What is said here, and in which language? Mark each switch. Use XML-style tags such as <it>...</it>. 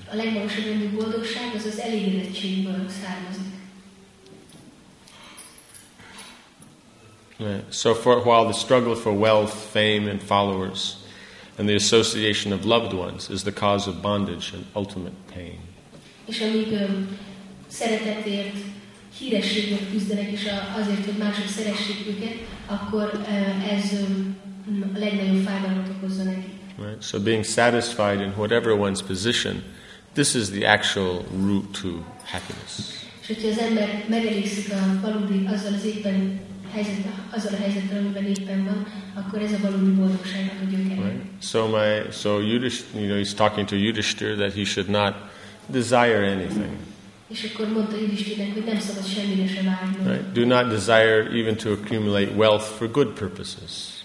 <en>So while the struggle for wealth, fame, and followers, and the association of loved ones is the cause of bondage and ultimate pain.</en> <hu>És amíg szeretetért, hírességért küzdenek, és azért, hogy mások szeressék őket, akkor ez a legnagyobb fájdalmat okozza neki.</hu> <en>Right. So being satisfied in whatever one's position, this is the actual route to happiness.</en> <hu>És hogyha az ember megelégszik a valódi, azzal az éppen helyzet, azzal a helyzetben, amiben éppen van, akkor ez a valódi boldogságnak a gyökere.</hu> <en>So Yudhishthira, you know, he's talking to Yudhishthira that he should not desire anything. Right? Do not desire even to accumulate wealth for good purposes.</en>